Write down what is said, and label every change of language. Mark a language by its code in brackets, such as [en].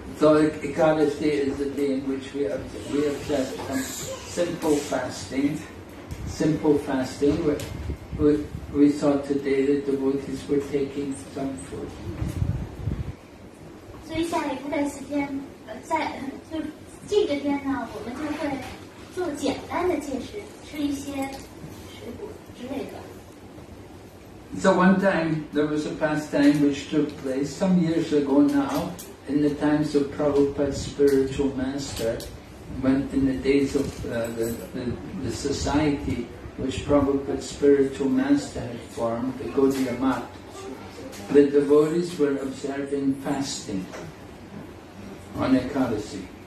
[en] So Ekadasi is the day in which we observe some simple fasting. Simple fasting, we saw today that the devotees were taking some food. [zh] 所以下一个时间，在就这个天呢，我们就会做简单的戒食，吃一些食物。 [en] So one time there was a pastime which took place some years ago now in the times of Prabhupada's spiritual master, when in the days of the society which Prabhupada's spiritual master had formed, the Gaudiya Math, the devotees were observing fasting on Ekadasi.